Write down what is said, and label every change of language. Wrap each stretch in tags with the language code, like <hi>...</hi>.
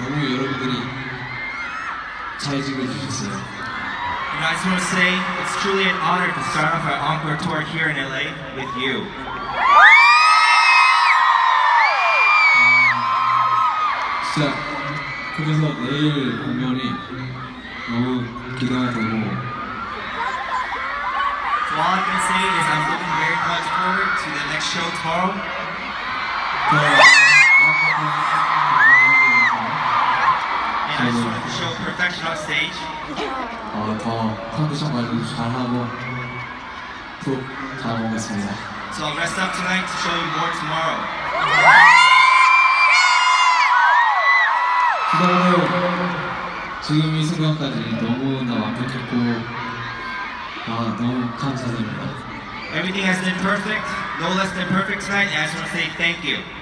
<ko>너무 여러분들이 잘 지켜주셨어요.</ko> <en>And I just want to say, it's truly an honor to start off our encore tour here in LA with you.</en> <ko>진짜 그래서 내일 공연이 너무 기대되고.</ko> <en>So all I can say is I'm looking very much forward to the next show tomorrow. And I just want to show perfection on stage.</en> <ko>더 컨디션 관리 잘하고 푹 잡아보겠습니다.</ko> <en>So I'll rest up tonight to show you more tomorrow.</en> <ko>기다려요. 지금 이 순간까지 너무나 완벽했고 너무 감사드립니다.</ko> <en>Everything has been perfect, no less than perfect tonight, and I just want to say thank you.</en>